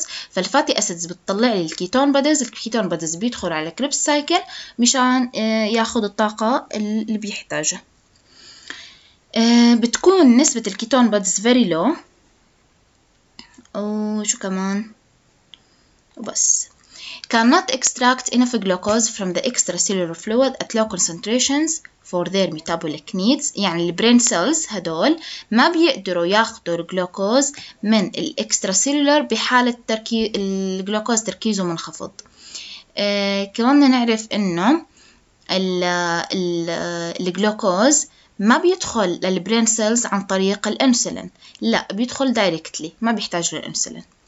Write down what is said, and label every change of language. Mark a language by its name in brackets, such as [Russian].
[Arabic] فالفاتي أسيدز بتطلع لي الكيتون بادز، الكيتون بادز بيدخل على كريبس سايكل مشان ياخد الطاقة اللي بيحتاجها. بتكون نسبة الكيتون بادز [English] very low. [Arabic] وشو كمان؟ وبس. [English] cannot extract enough glucose from the extracellular fluid at low concentrations for their metabolic needs. [Arabic] يعني البرين سيلز هدول ما بيقدروا ياخدوا الجلوكوز من الاكستراسيلولر بحالة الجلوكوز تركيزه منخفض. كمان نعرف انه الجلوكوز ما بيدخل للبرين سيلز عن طريق الانسولين، لا بيدخل دايركتلي، ما بيحتاج للانسولين.